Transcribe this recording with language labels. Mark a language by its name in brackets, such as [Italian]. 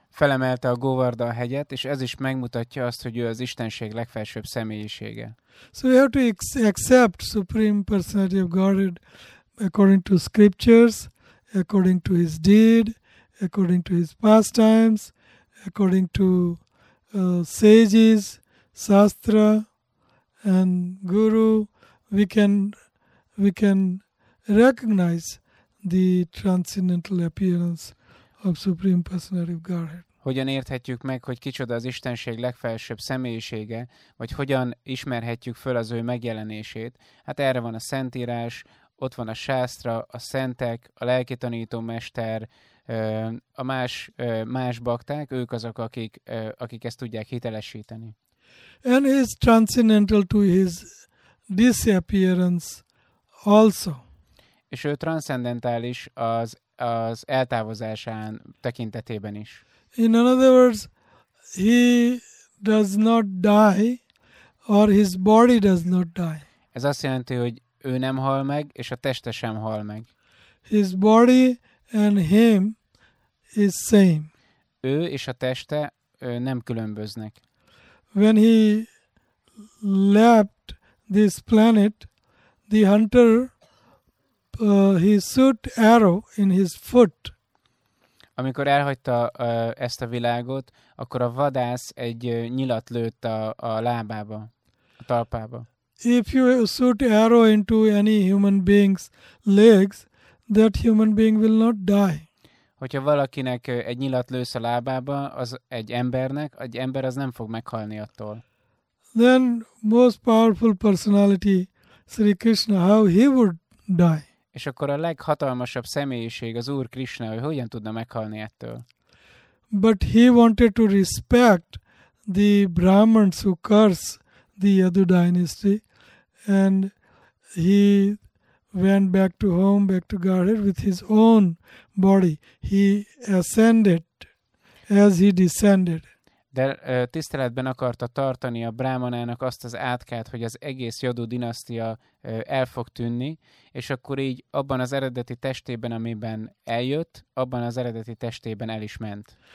[Hungarian] Felemelte a Govardhan hegyet, és ez is megmutatja azt, hogy ő az Istenség legfelsőbb személyisége. [English] So we have to accept supreme personality of Godhead according to scriptures, according to his deed, according to his pastimes, according to sages, shastra, and guru. We can recognize the transcendental appearance of Supreme Personality of Godhead. [Hungarian] Hogyan érthetjük meg, hogy kicsoda az Istenség legfelsőbb személyisége, vagy hogyan ismerhetjük föl az ő megjelenését? Hát erre van a Szentírás, ott van a sásztra, a szentek, a lelki tanító mester, a más bakták, ők azok, akik ezt tudják hitelesíteni. [English] And is transcendental to his disappearance also. [Hungarian] És ő transzcendentális az eltávozásán tekintetében is. [English] In other words, he does not die, or his body does not die. [Hungarian] Ez azt jelenti, hogy ő nem hal meg, és a teste sem hal meg. [English] His body and him is same. [Hungarian] Ő és a teste nem különböznek. [English] When he left this planet, the hunter he shoot arrow in his foot. [Hungarian] Amikor elhagyta ezt a világot, akkor a vadász egy nyilat lőtt a lábába, a talpába. [English] If you shoot arrow into any human being's legs, that human being will not die. [Hungarian] Hogyha valakinek egy nyilat lősz a lábába, az egy embernek, egy ember az nem fog meghalni attól. [English] Then most powerful personality Sri Krishna, how he would die? [Hungarian] És akkor a leghatalmasabb személyiség az Úr Krishna, hogy hogyan tudna meghalni ettől? [English] But he wanted to respect the Brahmins who curse the Yadu dynasty, and he went back to home, back to Godhead with his own body. He ascended as he descended. [Hungarian] De tiszteletben akarta tartani a brámanának azt az átkát, hogy az egész Yadu dinasztia el fog tűnni, és akkor így abban az eredeti testében, amiben eljött, abban az eredeti testében el is ment.